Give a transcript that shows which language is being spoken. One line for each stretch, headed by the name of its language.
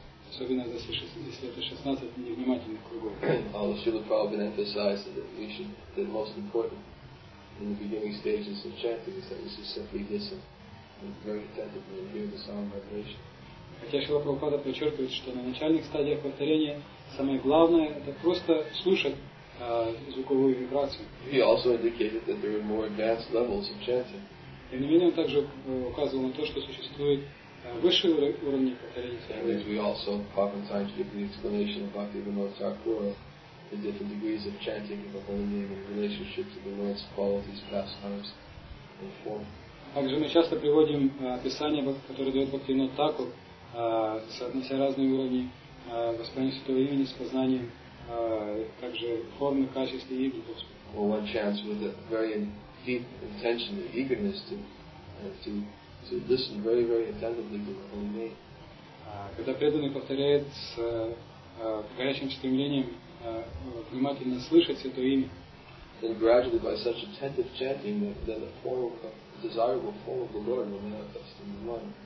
Russian: Особенно если это 16 невнимательных кругов.
English: Although Srila Prabhupada emphasized that we should the most important in the beginning stages of chanting is that we should simply listen and very attentively hear the sound vibration.
Russian: Хотя Шрила Прабхупада подчеркивает, что на начальных стадиях повторения самое главное это просто слушать звуковую вибрацию.
English: He also indicated that there are more advanced levels of chanting.
Russian: Тем не менее, он также указывал на то, что существует высшие уровни повторения.
English: And as we also oftentimes give the explanation of Bhaktivinoda Thakura, the different degrees of chanting of the holy name in relationship to the Lord's qualities, pastimes, and form.
Russian: Также мы часто приводим описание, которое дает Бхактивинода Такур, соотнося разные уровни воспевания святого имени с познанием также формы, качества и игры Господа.
English: One chants with a very deep intention and eagerness to listen very, very attentively to the holy name.
Russian: Когда преданный повторяет с горячим стремлением внимательно слышать святое имя,
English: then gradually by such attentive chanting that the form of desirable form of the Lord will manifest in the mind.